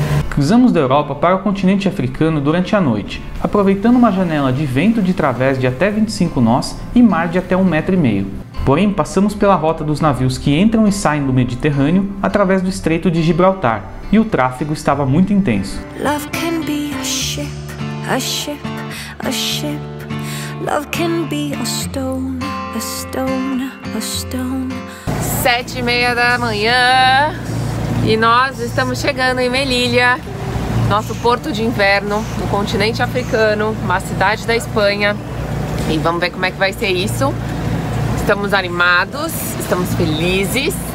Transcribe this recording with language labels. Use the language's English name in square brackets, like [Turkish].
[Portuguese] Cruzamos da Europa para o continente africano durante a noite, aproveitando uma janela de vento de través de até 25 nós e mar de até 1,5 m. Porém, passamos pela rota dos navios que entram e saem do Mediterrâneo através do Estreito de Gibraltar, e o tráfego estava muito intenso. [English] Love can be a ship, a ship, a ship. Love can be a stone, a stone, a stone. [Portuguese] 7:30 da manhã e nós estamos chegando em Melilla, nosso porto de inverno no continente africano, uma cidade da Espanha. E vamos ver como é que vai ser isso. Estamos animados, estamos felizes.